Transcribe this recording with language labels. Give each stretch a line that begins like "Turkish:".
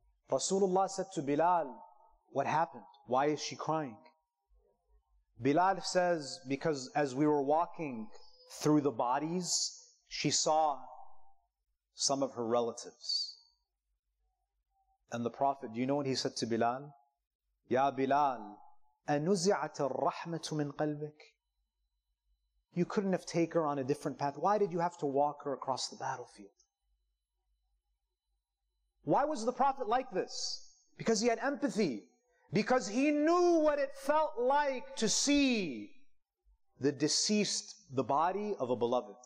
English: Rasulullah said to Bilal, what happened? Why is she crying? Bilal says, because as we were walking through the bodies, she saw some of her relatives. And the Prophet, do you know what he said to Bilal?
Arabic: Ya Bilal, أَنُزِعَتَ الرَّحْمَةُ مِنْ قَلْبِكَ.
English: You couldn't have taken her on a different path. Why did you have to walk her across the battlefield? Why was the Prophet like this? Because he had empathy. Because he knew what it felt like to see the deceased, the body of a beloved.